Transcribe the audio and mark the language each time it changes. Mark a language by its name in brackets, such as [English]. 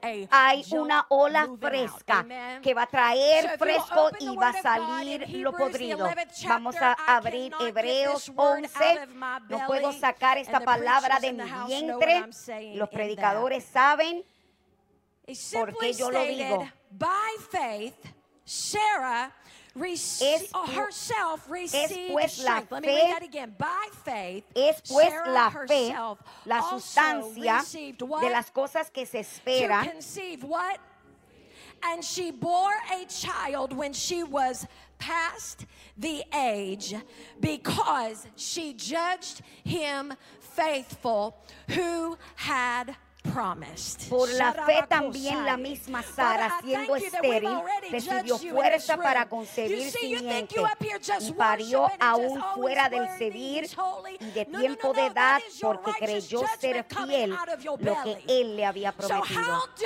[Spanish] Hay una ola fresca que va a traer fresco y va a salir lo podrido. Vamos a abrir Hebreos 11. No puedo sacar esta palabra de mi vientre, los predicadores saben. Porque yo lo digo. [English] By faith, Sarah herself received strength. Let me read that again. By faith, Sarah herself, [Spanish] la sustancia de las cosas que se espera, [English] to conceive what? And she bore a child when she was past the age, because she judged him faithful who had promised. [Spanish] Por la fe también la misma Sara, siendo estéril, recibió fuerza para concebir simiente, y parió aún fuera del sebir y de tiempo de edad, porque creyó ser fiel lo que él le había prometido.